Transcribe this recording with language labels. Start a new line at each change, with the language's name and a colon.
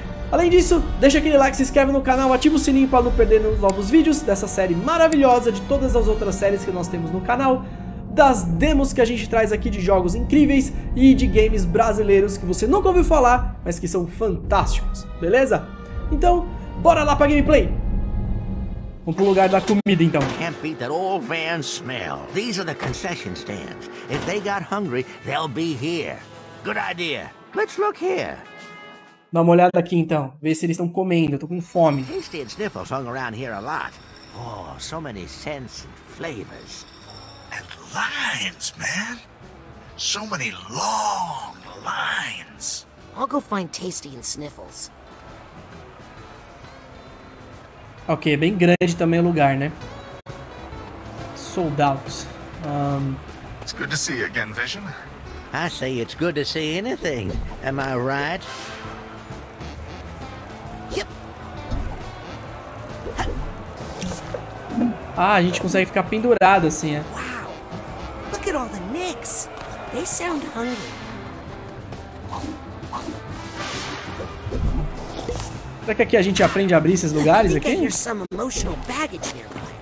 Portuguese: Além disso, deixa aquele like, se inscreve no canal, ativa o sininho para não perder nenhum dos novos vídeos dessa série maravilhosa, de todas as outras séries que nós temos no canal, das demos que a gente traz aqui de jogos incríveis e de games brasileiros que você nunca ouviu falar, mas que são fantásticos, beleza? Então, bora lá pra gameplay! Vamos pro lugar da comida, então.
English: Can't beat that old van smell. These are the concession stands. If they got hungry, they'll be here. Good idea. Let's look here.
Portuguese: Dá uma olhada aqui então, ver se eles estão comendo, eu tô com fome.
English: Tasty and sniffles hung around here a lot. Oh, so many scents and flavors. And lines, man. So many long lines. I'll go find Tasty and Sniffles.
Portuguese: Ok, bem grande também o lugar, né?
English: Sold out. It's good to see you again, Vision. I say it's good to see anything. Am I right?
Portuguese: Ah, a gente consegue ficar pendurado assim, é.
English: Wow. Look at all the nicks. They sound hungry.
Portuguese: Será que aqui a gente aprende a abrir esses lugares aqui?
English: There's some emotional baggage here.